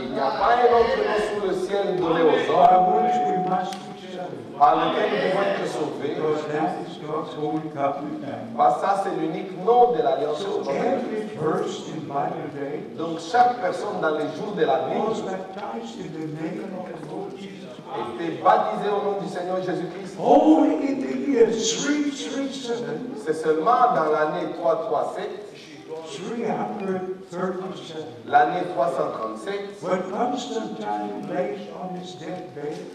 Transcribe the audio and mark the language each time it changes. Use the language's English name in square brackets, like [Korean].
[French] Il n'y a pas un autre nom sous le ciel donné aux hommes. [English] By which we must be saved. [French] Par lequel nous devons être sauvés. [English] Because that is God's holy covenant name. [French] Parce que ça, c'est l'unique nom de l'Alliance. [English] So every person in Bible day. [French] Donc chaque personne dans les jours de la Bible. [English] Was baptized in the name of the Lord Jesus. [French] Était baptisé au nom du Seigneur Jésus-Christ. [English] Only in the year 337. [French] C'est seulement dans l'année 337. [English] 337. [French] L'année 337. [English] When Constantine lay on his deathbed.